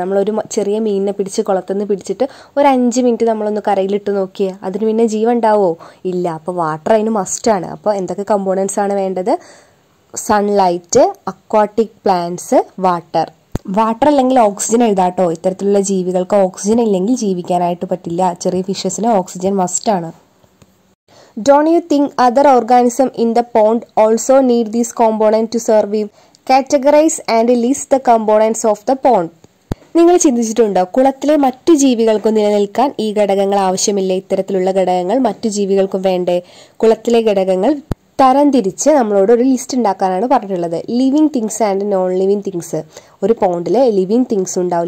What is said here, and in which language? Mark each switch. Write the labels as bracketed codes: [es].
[ml] നമ്മളൊരു ചെറിയ മീനിനെ പിടിച്ച് കുളത്തു നിന്ന് പിടിച്ചിട്ട് ഒരു 5 മിനിറ്റ് നമ്മളൊന്ന് കരയിലിട്ട് നോക്കിയേ, അതിന് പിന്നെ ജീവൻ ഉണ്ടാവുമോ? ഇല്ല. അപ്പോൾ വാട്ടർ അതിന് മസ്റ്റാണ്. അപ്പോൾ എന്തൊക്കെ കമ്പോണൻസ് ആണ് വേണ്ടത്? Sunlight, aquatic plants, water. Water അല്ലെങ്കിൽ ഓക്സിജൻ എഴുതാട്ടോ. ഇത്തരത്തിലുള്ള ജീവികൾക്ക് ഓക്സിജൻ ഇല്ലെങ്കിൽ ജീവിക്കാനായിട്ട് പറ്റില്ല. ചെറിയ ഫിഷസിന് ഓക്സിജൻ മസ്റ്റ് ആണ്. [en] Don't you think other organisms in the pond also need these components to survive? Categorize and list the components of the pond. [ml] നിങ്ങൾ ചിന്തിച്ചിട്ടുണ്ടോ കുളത്തിലെ മറ്റു ജീവികൾക്കും നിലനിൽക്കാൻ ഈ ഘടകങ്ങൾ ആവശ്യമില്ല, ഇത്തരത്തിലുള്ള ഘടകങ്ങൾ മറ്റു ജീവികൾക്കും വേണ്ടേ? കുളത്തിലെ ഘടകങ്ങൾ തരംതിരിച്ച് നമ്മളോട് ഒരു ലിസ്റ്റ് ഉണ്ടാക്കാനാണ് പറഞ്ഞിട്ടുള്ളത്. Living things and non living things. ഒരു പോണ്ടിലെ ലിവിങ് തിങ്സ് ഉണ്ടാവും.